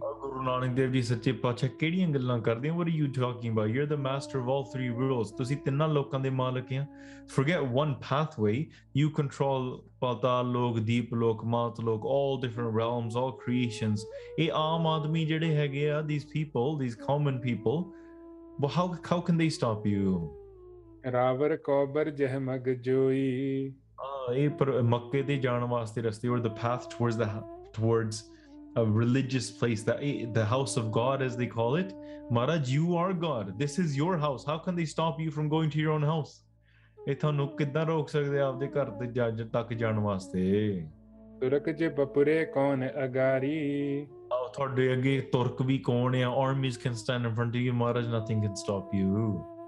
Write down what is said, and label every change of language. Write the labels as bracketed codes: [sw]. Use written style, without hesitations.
[pa] ਗੁਰੂ ਨਾਨਕ ਦੇਵ ਜੀ ਸੱਚੇ ਪਾਤਸ਼ਾਹ ਕਿਹੜੀਆਂ ਗੱਲਾਂ ਕਰਦੇ ਹੋ? [en] What are you talking about? You're the master of all three worlds. [pa] ਤੁਸੀਂ ਤਿੰਨਾਂ ਲੋਕਾਂ ਦੇ ਮਾਲਕ ਆ. [en] Forget one pathway, you control Patal Lok, Deep Lok, Maat Lok, all different realms, all creations. [pa] ਇਹ ਆਮ ਆਦਮੀ ਜਿਹੜੇ ਹੈਗੇ ਆ, [en] these people, these common people, how can they stop you? [pa] ਰਾਵਰ ਕੋਬਰ ਜਹ ਮਗ ਜੋਈ. ਇਹ ਮੱਕੇ ਦੇ ਜਾਣ ਵਾਸਤੇ ਰਸਤੇ, [en] or the path towards a religious place, that the house of God, as they call it. Maharaj, you are God. This is your house. How can they stop you from going to your own house? [pa] ਇਹ ਤੁਹਾਨੂੰ ਕਿੱਦਾਂ ਰੋਕ ਸਕਦੇ ਆਪਦੇ ਘਰ ਦੇ ਜੱਜ ਤੱਕ ਜਾਣ ਵਾਸਤੇ? ਤੁਰਕ ਜੇ ਬਪੁਰੇ ਕੌਣ ਅਗਾਰੀ, ਤੁਹਾਡੇ ਅੱਗੇ ਤੁਰਕ ਵੀ ਕੌਣ ਆ? [en] Armies can stand in front of you Maharaj, nothing can stop you.